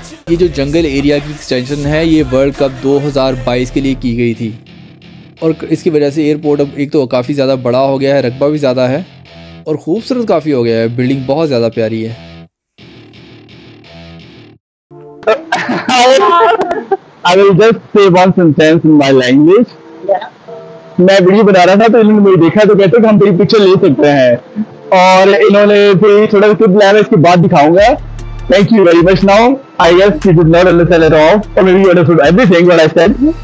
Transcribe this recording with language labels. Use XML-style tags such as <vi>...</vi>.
<hi>ये जो जंगल एरिया की एक्सटेंशन है, ये वर्ल्ड कप 2022 के लिए की गई थी, और इसकी वजह से एयरपोर्ट अब एक तो काफ़ी ज़्यादा बड़ा हो गया है, रकबा भी ज़्यादा है और खूबसूरत काफ़ी हो गया है. बिल्डिंग बहुत ज़्यादा प्यारी है.</hi> <en>I will just say one sentence in my language. Yeah.</en> <hi>मैं वीडियो बना रहा था तो इन्होंने मुझे देखा तो कहते हम तेरी पिक्चर ले सकते हैं, और इन्होंने फिर थोड़ा क्लिप लाया, इसके बाद दिखाऊंगा.</hi> <en>Thank you very much. Now, I guess you did not understand at all, or maybe you understood everything what I said.</en>